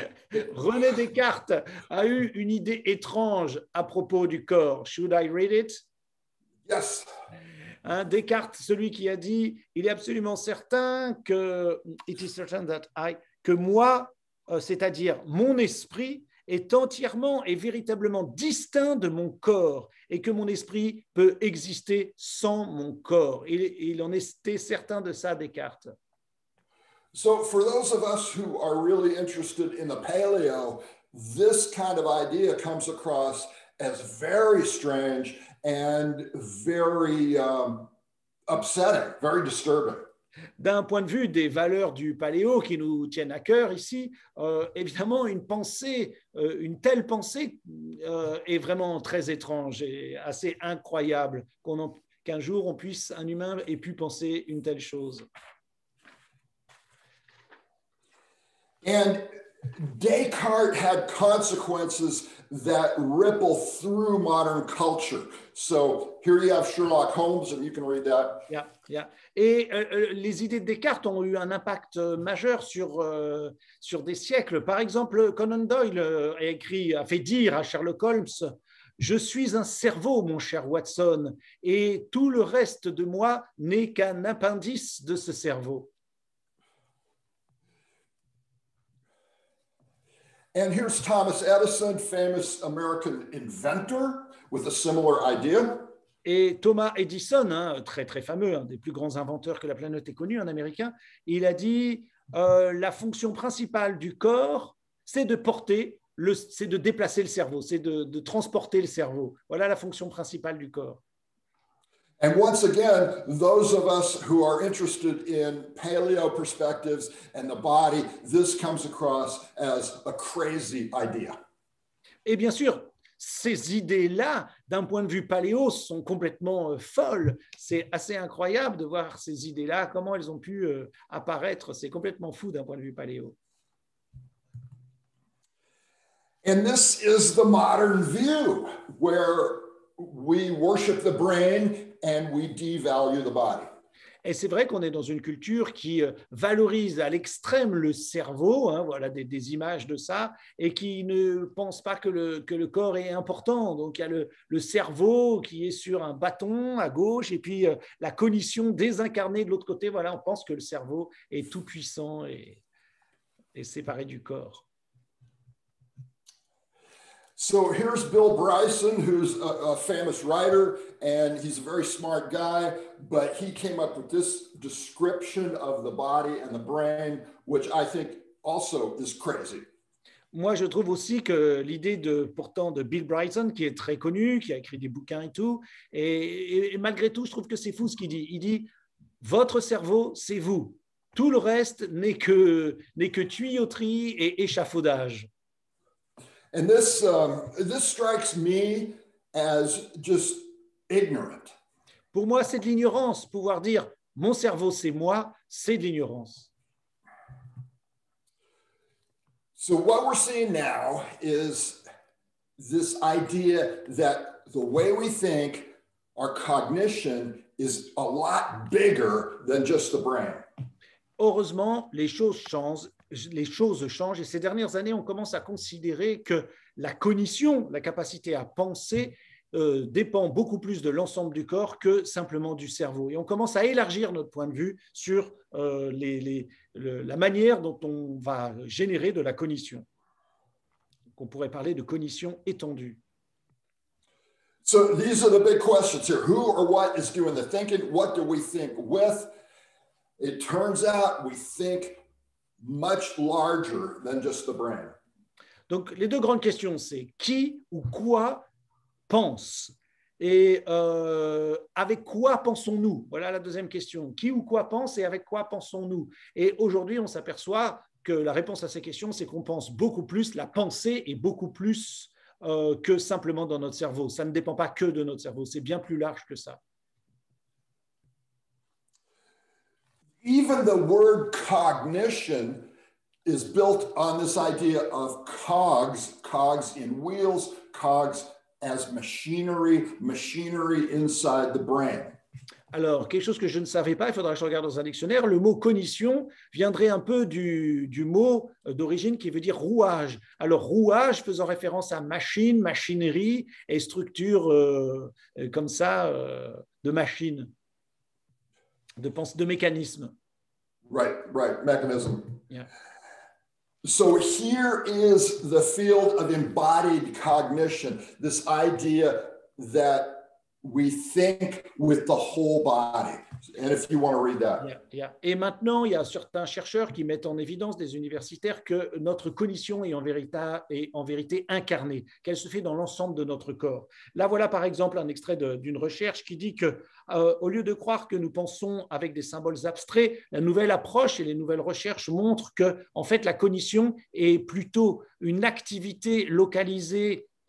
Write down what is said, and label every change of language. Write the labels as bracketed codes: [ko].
[fr] René Descartes a eu une idée étrange à propos du corps. [en] Should I read it? Yes. [fr] Hein, Descartes, celui qui a dit, il est absolument certain que [en] it is certain that I [fr] que moi, c'est-à-dire mon esprit, est entièrement et véritablement distinct de mon corps et que mon esprit peut exister sans mon corps. Il en était certain de ça, Descartes. [en] So for those of us who are really interested in the paleo, this kind of idea comes across as very strange and very upsetting, very disturbing. [fr] D'un point de vue des valeurs du paléo qui nous tiennent à cœur ici, évidemment une telle pensée est vraiment très étrange et assez incroyable qu'un humain ait pu penser une telle chose. [en] And Descartes had consequences that ripple through modern culture. So here you have Sherlock Holmes, and you can read that. Yeah, yeah. [fr] Et les idées de Descartes ont eu un impact majeur sur des siècles. Par exemple, Conan Doyle a fait dire à Sherlock Holmes, « Je suis un cerveau, mon cher Watson, et tout le reste de moi n'est qu'un appendice de ce cerveau. » [en] And here's Thomas Edison, famous American inventor, with a similar idea. [fr] Et Thomas Edison, hein, très très fameux, un des plus grands inventeurs que la planète ait connu, un Américain, il a dit la fonction principale du corps, c'est de transporter le cerveau. Voilà la fonction principale du corps. [en] And once again, those of us who are interested in paleo perspectives and the body, this comes across as a crazy idea. [fr] Et bien sûr, ces idées-là, d'un point de vue paléo, sont complètement folles. C'est assez incroyable de voir ces idées-là, comment elles ont pu apparaître. C'est complètement fou d'un point de vue paléo. [en] And this is the modern view where we worship the brain and we devalue the body. [fr] Et c'est vrai qu'on est dans une culture qui valorise à l'extrême le cerveau, hein, voilà des images de ça, et qui ne pense pas que le corps est important. Donc il y a le cerveau qui est sur un bâton à gauche, et puis la cognition désincarnée de l'autre côté. Voilà, on pense que le cerveau est tout puissant et séparé du corps. [en] So here's Bill Bryson, who's a famous writer, and he's a very smart guy, but he came up with this description of the body and the brain, which I think also is crazy. [fr] Moi, je trouve aussi que l'idée de Bill Bryson, qui est très connu, qui a écrit des bouquins et tout, et malgré tout, je trouve que c'est fou ce qu'il dit. Il dit, votre cerveau, c'est vous. Tout le reste n'est que tuyauterie et échafaudage. [en] And this strikes me as just ignorant. [fr] Pour moi, c'est de l'ignorance. Pouvoir dire mon cerveau, c'est moi, c'est de l'ignorance. [en] So what we're seeing now is this idea that the way we think, our cognition is a lot bigger than just the brain. [fr] Heureusement, les choses changent et ces dernières années, on commence à considérer que la cognition, la capacité à penser, dépend beaucoup plus de l'ensemble du corps que simplement du cerveau. Et on commence à élargir notre point de vue sur la manière dont on va générer de la cognition. Donc on pourrait parler de cognition étendue. [en] So these are the big questions here. Who or what is doing the thinking? What do we think with? It turns out we think much larger than just the brain. [fr] Donc les deux grandes questions, c'est qui ou quoi pense et avec quoi pensons-nous? Voilà la deuxième question. Qui ou quoi pense et avec quoi pensons-nous? Et aujourd'hui, on s'aperçoit que la réponse à ces questions, c'est qu'on pense beaucoup plus, la pensée est beaucoup plus que simplement dans notre cerveau. Ça ne dépend pas que de notre cerveau, c'est bien plus large que ça. [en] Even the word cognition is built on this idea of cogs, cogs in wheels, cogs as machinery, machinery inside the brain. [fr] Alors, quelque chose que je ne savais pas, il faudra que je regarde dans un dictionnaire, le mot cognition viendrait un peu du mot d'origine qui veut dire rouage. Alors, rouage faisant référence à machine, machinerie et structure comme ça de machine, de pensée, de mécanisme. [en] Right, right, mechanism. Yeah. So here is the field of embodied cognition, this idea that we think with the whole body. And if you want to read that. Yeah, yeah. [fr] Et maintenant, il y a certains chercheurs qui mettent en évidence, des universitaires, que notre cognition est en vérité incarnée, qu'elle se fait dans l'ensemble de notre corps. Là, voilà par exemple un extrait d'une recherche qui dit que, au lieu de croire que nous pensons avec des symboles abstraits, la nouvelle approche et les nouvelles recherches montrent que, en fait, la cognition est plutôt une activité localisée.